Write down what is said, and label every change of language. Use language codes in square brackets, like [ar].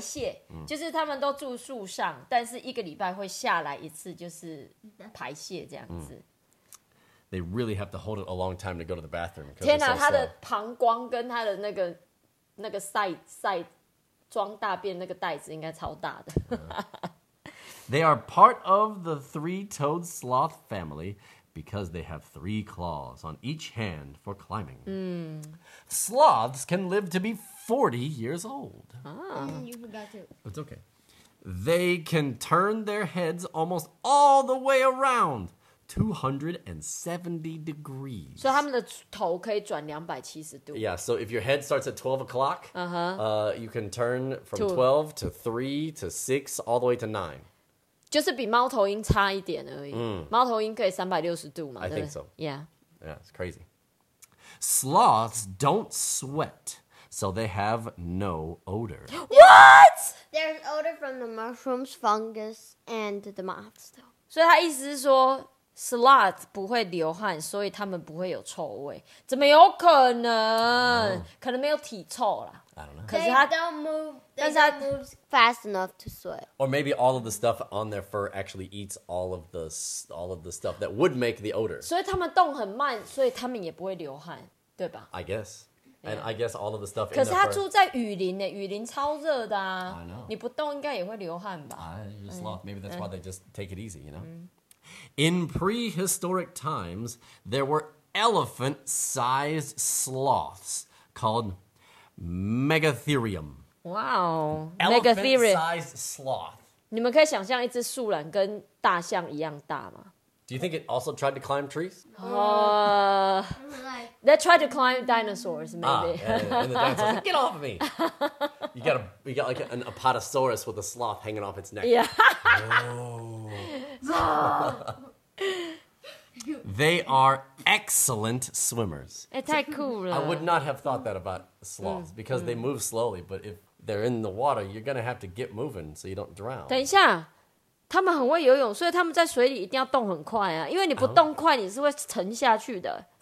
[zh] 泄、嗯、就是他们都住树上，但是一个礼拜会下来一次，就是排泄这样子、嗯。 [en] They really have to hold it a long time to go to the bathroom. [zh] 天哪，他的膀胱跟他的那个塞装大便那个袋子应该超大的。 [en] They are part of the three-toed sloth family. Because they have three claws on each hand for climbing. Mm. Sloths can live to be 40 years old. Ah. You forgot to. It's okay. They can turn their heads almost all the way around. 270 degrees. [zh] So 他们的头可以转270度. [en] Yeah, so if your head starts at 12 o'clock, uh-huh. You can turn from 12 to 3 to 6 all the way to 9. [zh] 就是比猫头鹰差一点而已.猫头鹰可以360度嘛, [en] I think so. Yeah. Yeah, it's crazy. Sloths don't sweat, so they have no odor. What? There's odor from the mushrooms, fungus, and the moths, though. [zh] 所以他意思是说, Sloth 不会流汗, 所以他们不会有臭味. 怎么有可能?Oh. 可能没有体臭啦。 [en] I don't know. 'Cause they don't move fast enough to sweat. Or maybe all of the stuff on their fur actually eats all of the stuff that would make the odor. [zh] 所以他们动很慢, 所以他们也不会流汗, 对吧? [en] I guess. And I guess all of the stuff in the fur. [zh] 可是他住在雨林耶, 雨林超热的啊。 [en] I know. [zh] 你不动应该也会流汗吧? [en] Sloth, maybe that's why they just take it easy, you know? In prehistoric times, there were elephant-sized sloths called Megatherium. Wow. Elephant-sized sloth. [zh] 你们可以想象一只树懒跟大象一样大吗? [en] Do you think it also tried to climb trees? They tried to climb dinosaurs, maybe. Ah, yeah, and the dinosaurs like, get off of me! You got like an apatosaurus with a sloth hanging off its neck. Yeah. Oh. They are excellent swimmers. It's so cool. I would not have thought that about sloths because they move slowly, but if they're in the water, you're going to have to get moving so you don't drown. [zh] 等一下。他们很会游泳,所以他们在水里一定要动很快啊,因为你不动快,你是会沉下去的.